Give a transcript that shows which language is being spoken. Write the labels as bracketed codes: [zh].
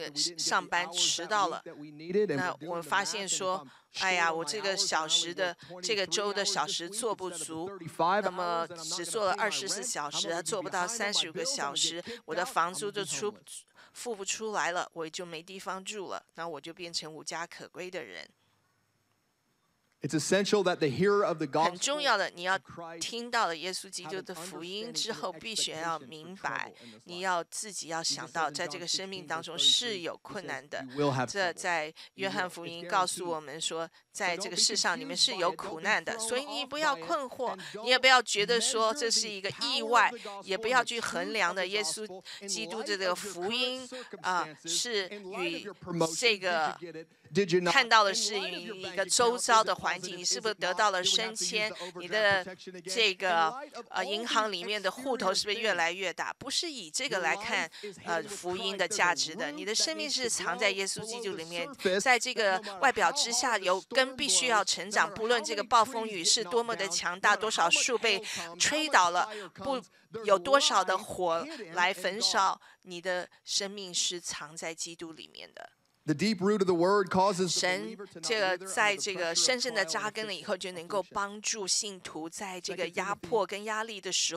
[en] that we didn't get the hours that we needed. And we're doing math, and if I'm short my hours, I'm only doing 24 hours this week instead of 35 hours, and I'm paying my rent, I'm going to be behind on my bills, I'm going to get homeless. My rent is not paying for it, I'm going to have no place to live. Then I'm going to become a homeless person. It's essential that the hearer of the gospel. [zh] 很重要的，你要听到了耶稣基督的福音之后，必须要明白，你要自己要想到，在这个生命当中是有困难的。这在约翰福音告诉我们说，在这个世上里面是有苦难的，所以你不要困惑，你也不要觉得说这是一个意外，也不要去衡量的耶稣基督的这个福音啊，是与这个。看到的是一个周遭的环境，你是不是得到了升迁？你的这个银行里面的户头是不是越来越大？不是以这个来看福音的价值的。你的生命是藏在耶稣基督里面，在这个外表之下有根必须要成长。不论这个暴风雨是多么的强大，多少树被吹倒了，不有多少的火来焚烧，你的生命是藏在基督里面的。 [en] The deep root of the word causes the believer to not wither under the pressure of trial and tribulation.